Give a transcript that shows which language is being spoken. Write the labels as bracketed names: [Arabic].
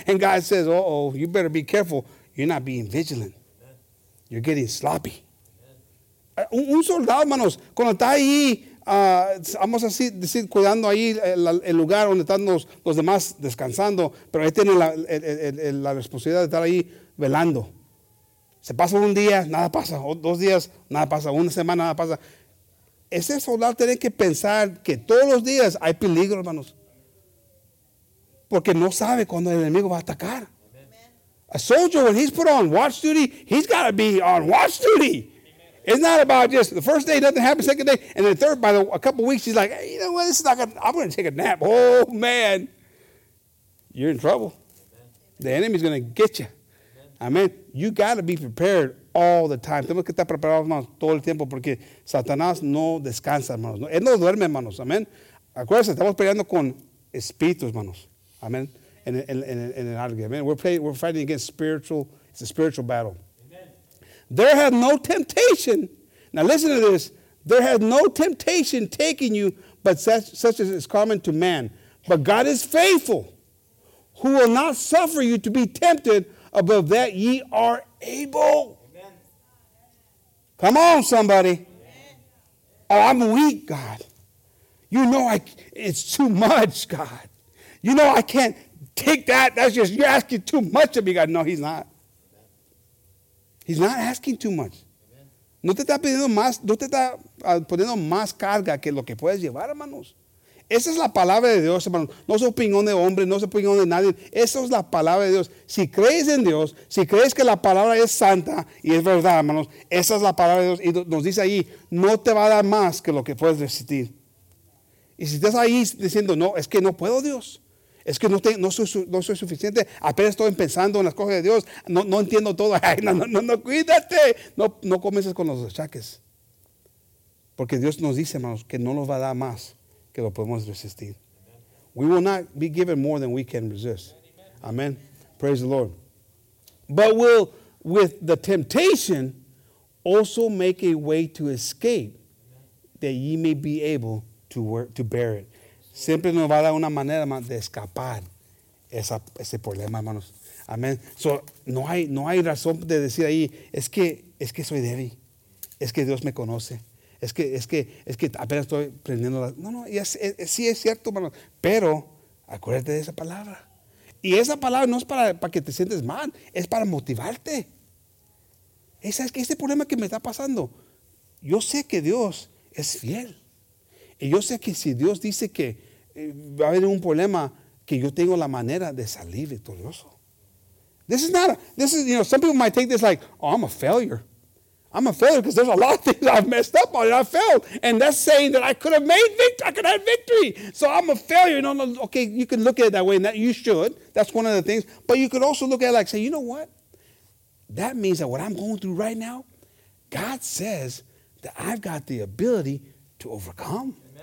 [English] And God says, uh-oh, you better be careful. You're not being vigilant. You're getting sloppy. [Spanish] Un soldado, hermanos, cuando está ahí, vamos a decir, cuidando ahí el lugar donde están los demás descansando, pero él tiene la responsabilidad de estar ahí velando. Se pasa un día, nada pasa. Dos días, nada pasa. Una semana, nada pasa. Ese soldado tiene que pensar que todos los días hay peligro, hermanos. Porque no sabe cuándo el enemigo va a atacar. [English] A soldier, when he's put on watch duty, he's got to be on watch duty. Amen. It's not about just the first day, nothing happens, second day, and then third, by a couple weeks, he's like, hey, you know what, this is not going to, I'm going to take a nap. Oh, man, you're in trouble. Amen. The enemy's going to get you. Amen. You got to be prepared all the time. [Spanish] Tenemos que estar preparados, hermanos, todo el tiempo, porque Satanás no descansa, hermanos. Él no duerme, hermanos. Amen. Acuérdense, estamos peleando con espíritus, hermanos. Amen. [English] We're fighting against spiritual. It's a spiritual battle. Amen. There has no temptation. Now listen to this. There has no temptation taking you, but such as is common to man. But God is faithful, who will not suffer you to be tempted above that ye are able. Amen. Come on, somebody. Amen. Oh, I'm weak, God. You know it's too much, God. You know I can't. Take that. That's just, you're asking too much of me, God. No, he's not. He's not asking too much. [Spanish] No te está pidiendo más carga que lo que puedes llevar, hermanos. Esa es la palabra de Dios, hermano. No es opinión de hombre, no es opinión de nadie. Esa es la palabra de Dios. Si crees en Dios, si crees que la palabra es santa y es verdad, hermanos, esa es la palabra de Dios. Y nos dice ahí, no te va a dar más que lo que puedes resistir. Y si estás ahí diciendo, no, es que no puedo, Dios. Es que no soy suficiente. Apenas estoy pensando en las cosas de Dios. No entiendo todo. Ay, no, cuídate. No comiences con los achaques. Porque Dios nos dice, hermanos, que no nos va a dar más que lo podemos resistir. [English] We will not be given more than we can resist. Amen. Praise the Lord. But will, with the temptation, also make a way to escape, that ye may be able to work, to bear it. [Spanish] Siempre nos va a dar una manera, hermanos, de escapar ese problema, hermanos. Amén. So, no hay razón de decir ahí, es que soy débil. Es que Dios me conoce. Es que apenas estoy aprendiendo. No, sí es cierto, hermanos. Pero acuérdate de esa palabra. Y esa palabra no es para que te sientes mal. Es para motivarte. Es que este problema que me está pasando, yo sé que Dios es fiel. Y yo sé que si Dios dice que va a haber un problema, que yo tengo la manera de salir victorioso. [English] This is, some people might take this like, oh, I'm a failure. I'm a failure because there's a lot of things I've messed up on and I failed. And that's saying that I could have had victory. So I'm a failure. No, okay, you can look at it that way. And that you should. That's one of the things. But you could also look at it like, say, you know what? That means that what I'm going through right now, God says that I've got the ability to overcome.